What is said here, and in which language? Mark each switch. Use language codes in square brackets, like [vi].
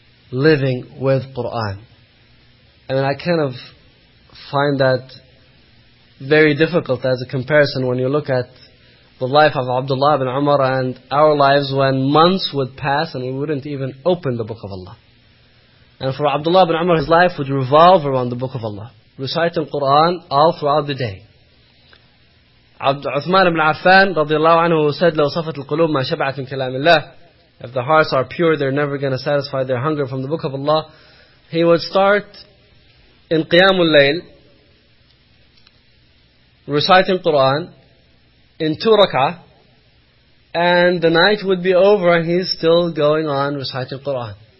[en] Living with Qur'an. And I kind of find that very difficult as a comparison when you look at the life of Abdullah ibn Umar and our lives, when months would pass and we wouldn't even open the book of Allah. And for Abdullah ibn Umar, his life would revolve around the book of Allah, reciting Qur'an all throughout the day. Uthman ibn Affan radiallahu anhu said, [ar] لَوْ صَفَتِ الْقُلُوبِ مَا شَبَعَتْ مِنْ كَلَامِ اللَّهِ. [en] If the hearts are pure, they're never going to satisfy their hunger from the book of Allah. He would start in Qiyamul Layl, reciting Qur'an, in two rak'ah, and the night would be over and he's still going on reciting Qur'an.